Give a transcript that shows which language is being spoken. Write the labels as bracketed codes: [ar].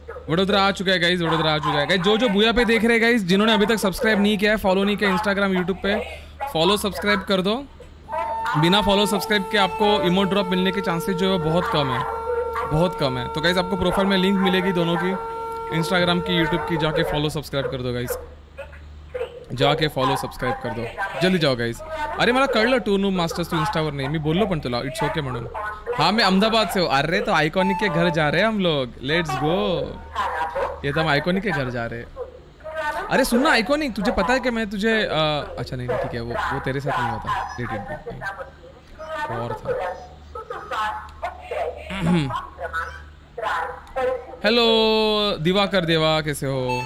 [hi] वडोदरा आ चुका है गाइस, वडोदरा आ चुका है गाइस. जो जो भूया पे देख रहे हैं गाइस, जिन्होंने अभी तक सब्सक्राइब नहीं किया है, फॉलो नहीं किया इंस्टाग्राम यूट्यूब पे, फॉलो सब्सक्राइब कर दो. बिना फॉलो सब्सक्राइब के आपको इमोट ड्रॉप मिलने के चांसेस जो है बहुत कम है, बहुत कम है. तो गाइस आपको प्रोफाइल में लिंक मिलेगी दोनों की, इंस्टाग्राम की यूट्यूब की, जाके फॉलो सब्सक्राइब कर दो गाइस, जाके फॉलो सब्सक्राइब कर दो, जल्दी जाओ गाइस. [mr] अरे मला कळलं टू नू मास्टर्स टू इंस्टावर नाही मी बोललो पण तुला, इट्स ओके म्हणून. [hi] हां मी अहमदाबाद से हूं. अरे तो आयकॉनिक के घर जा रहे हम लोग, लेट्स गो. ये तो हम आयकॉनिक के घर जा रहे. अरे सुन ना आयकॉनिक, तुझे पता है कि मैं तुझे अच्छा नहीं ठीक है, वो तेरे साथ नहीं होता, लेट इट बी. और था हेलो दिवाकर देवा, कैसे हो?